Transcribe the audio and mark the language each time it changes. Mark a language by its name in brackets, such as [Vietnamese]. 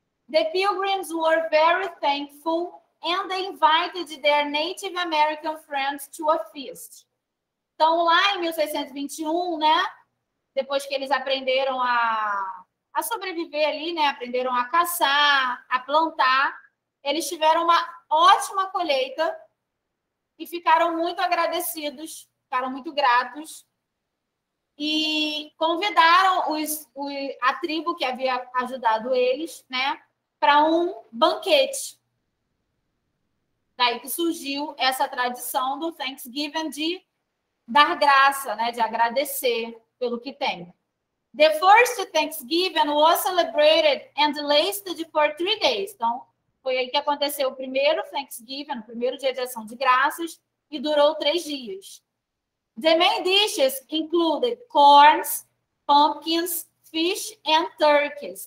[English] The Pilgrims were very thankful and they invited their Native American friends to a feast. [Portuguese] Então, lá em 1621, né, depois que eles aprenderam a sobreviver ali, né, aprenderam a caçar, a plantar, eles tiveram uma ótima colheita e ficaram muito agradecidos, ficaram muito gratos e convidaram a tribo que havia ajudado eles, né, para um banquete. Daí que surgiu essa tradição do Thanksgiving de dar graça, né, de agradecer pelo que tem. [English] The first Thanksgiving was celebrated and lasted for 3 days. [Portuguese] Então, foi aí que aconteceu o primeiro Thanksgiving, o primeiro dia de ação de graças, e durou 3 dias. [English] The main dishes included corns, pumpkins, fish and turkeys.